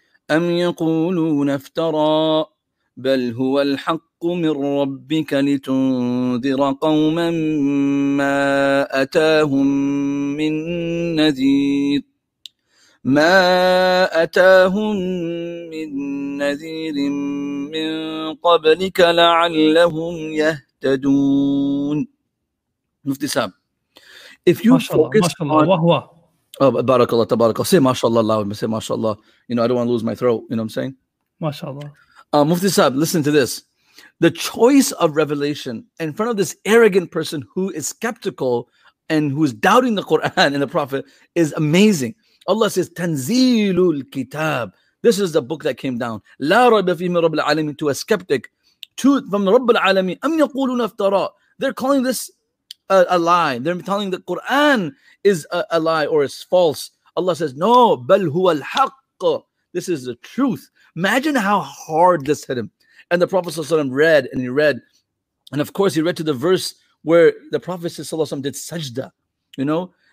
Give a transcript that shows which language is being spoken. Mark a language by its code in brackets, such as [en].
[ar] أم يقولون افترى بل هو الحق من ربك لتنذر قوما ما أتاهم من نذير ما أتاهم من نذير من قبلك لعلهم يهتدون. مفتي صاحب, [en] if you focus on [ar] بارك الله تبارك الله, [en] say [ar] ما شاء الله [en] loud, say ما شاء الله, you know, I don't want to lose my throat, you know what I'm saying, [ar] ما شاء الله. [en] مفتي صاحب, listen to this, the choice of revelation in front of this arrogant person who is skeptical and who is doubting the Quran and the Prophet is amazing. Allah says, "Tanzilu al-kitab." This is the book that came down. [ar] لا ريب فيه من رب العالمين, [en] to a skeptic, to from the [ar] رب العالمين. أم يقولون افترى. [en] They're calling this a lie. They're telling the Quran is a lie or is false. Allah says, "No, [ar] بل هو الحق." [en] This is the truth. Imagine how hard this hit him. And the Prophet [ar] صلى الله عليه وسلم [en] read and he read, and of course he read to the verse where the Prophet صلى الله عليه وسلم did sajda. You know.